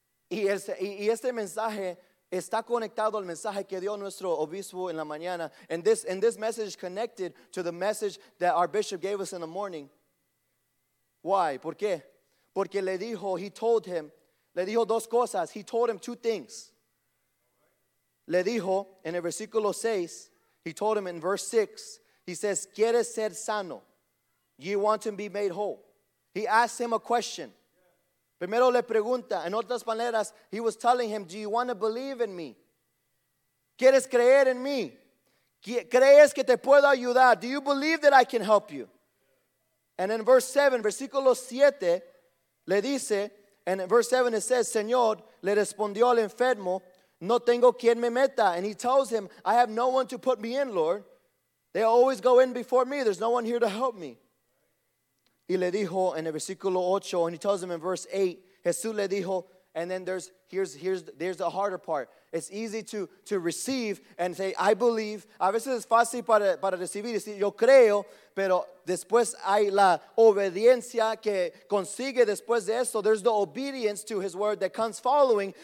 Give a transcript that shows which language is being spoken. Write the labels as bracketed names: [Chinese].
[Spanish] Y este mensaje está conectado al mensaje que dio nuestro obispo en la mañana. [English] And this message is connected to the message that our bishop gave us in the morning. Why? [Spanish] ¿Por qué? Porque [English] he told him two things. [Spanish] Le dijo, en el versículo 6, [English] he told him in verse 6, he says, [Spanish] ¿Quieres ser sano? [English] You want to be made whole. He asked him a question. [Spanish] Primero le pregunta, en otras maneras, [English] he was telling him, do you want to believe in me? [Spanish] ¿Quieres creer en mí? ¿Crees que te puedo ayudar? [English] Do you believe that I can help you? And in verse 7, [Spanish] versículo 7, le dice, [English] and in verse 7 it says, [Spanish] Señor, le respondió al enfermo, no tengo quien me meta. [English] And he tells him, I have no one to put me in, Lord. They always go in before me. There's no one here to help me. [Spanish] Y le dijo en el versículo 8, [English] and he tells him in verse 8, [Spanish] Jesús le dijo, [English] and then there's the harder part. It's easy to receive and say, I believe. [Spanish] A veces es fácil para recibir, decir, yo creo, pero después hay la obediencia que consigue después de eso. [English] There's the obedience to his word that comes following.